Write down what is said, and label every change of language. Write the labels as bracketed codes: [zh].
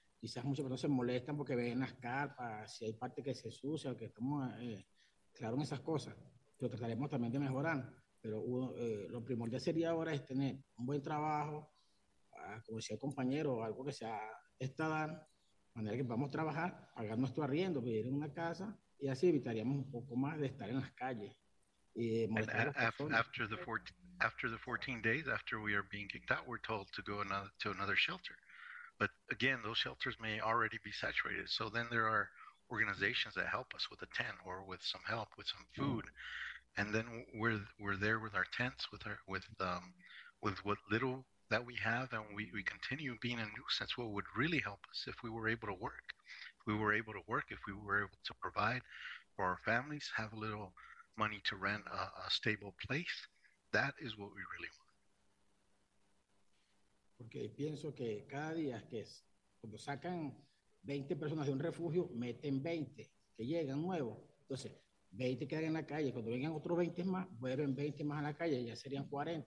[es] Quizás muchas personas se molestan porque ven las carpas, si hay parte que se sucia, que estamos claro en esas cosas, lo trataremos también de mejorar. Pero lo primordial sería ahora es tener un buen trabajo, como decía el compañero, algo que sea estable, de manera que podamos trabajar, pagar nuestro arriendo, vivir en una casa, y así evitaríamos un poco más de estar en las calles. Y [en] after the 14 days, after we are being kicked out, we're told to go to another shelter. But again, those shelters may already be saturated. So then there are organizations that help us with a tent or with some help with some food. Mm-hmm. And then we're there with our tents, with what little that we have, and we continue being a nuisance. What would really help us if we were able to work? If we were able to work, if we were able to provide for our families, have a little money to rent a stable place, that is what we really want. [es] Porque pienso que cada día que es cuando sacan 20 personas de un refugio, meten 20 que llegan nuevos. Entonces, 20 quedan en la calle. Cuando vengan otros 20 más, vuelven 20 más a la calle, ya serían 40.